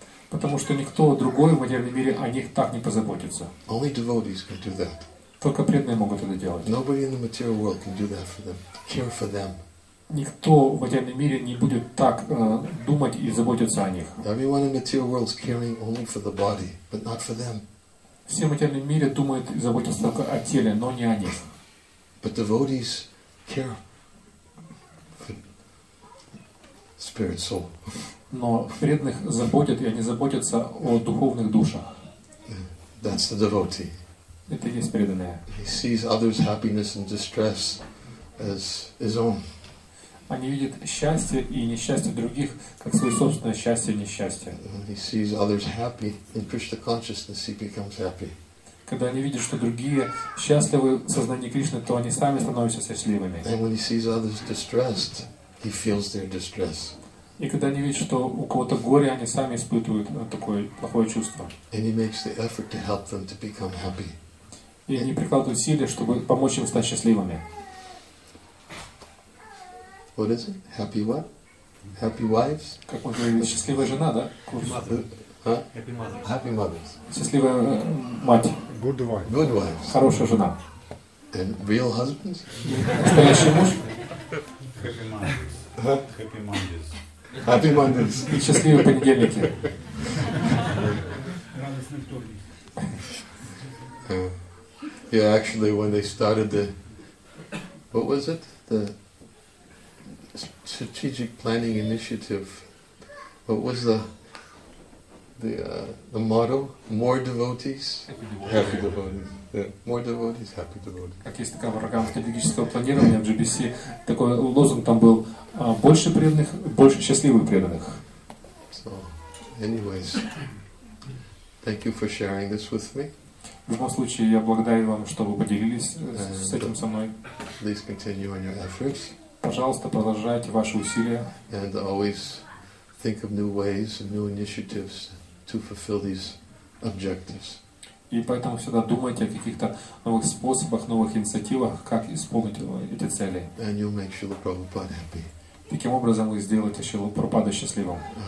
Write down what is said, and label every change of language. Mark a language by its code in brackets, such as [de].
[ru] Потому что никто другой в материальном мире о них так не позаботится. [en] Only devotees can do that. [ru] Только преданные могут это делать. [en] Nobody in the material world can do that for them. Care for them. [ru] Никто в материальном мире не будет так думать и заботиться о них. [en] Everyone in the material world is caring only for the body, but not for them. [ru] Все в материальном мире думают и заботятся только о теле, но не о них. [en] But devotees care for spirit soul. [ru] Но преданных заботят, и они заботятся о духовных душах. [en] That's the devotee. [ru] Это есть преданное. [en] He sees others' happiness and distress as his own. [ru] Они видят счастье и несчастье других как свое собственное счастье и несчастье. [en] He sees others happy in Krishna consciousness, he becomes happy. [ru] Когда они видят, что другие счастливы в сознании Кришны, то они сами становятся счастливыми. [en] And when he sees others distressed, he feels their distress. [ru] И когда они видят, что у кого-то горе, они сами испытывают такое плохое чувство. [en] And he makes the effort to help them to become happy. [ru] И они прикладывают усилия, чтобы помочь им стать счастливыми. [en] What is it? Happy what? Happy wives? [ru] Как мы говорили, счастливая жена, да? [en] Happy mothers. [ru] Счастливая мать. [en] Good wife. Good wives. [ru] Хорошая жена. [en] And real husbands? [ru] Настоящий муж? [en] Happy mothers. Happy mothers. Happy mothers. [ru] И счастливые понедельники. Радостный вторник. [en] Yeah, actually, when they started the... What was it? The... Strategic Planning Initiative. What was the motto? More devotees, happy devotees. Yeah. More devotees, happy devotees. [ru] Как есть такая программа стратегического планирования в GBC? Такой лозунг там был: больше преданных, больше счастливых преданных. [en] So, anyways, thank you for sharing this with me. [ru] В любом случае, я благодарю вам, что вы поделились с этим со мной. [en] Please continue on your efforts. [ru] Пожалуйста, продолжайте ваши усилия. [en] And always think of new ways and new initiatives to fulfill these objectives. [ru] И поэтому всегда думайте о каких-то новых способах, новых инициативах, как исполнить эти цели. [en] And you'll make Srila Prabhupada happy. [ru] Таким образом, вы сделаете Шрилу Прабхупаду счастливым.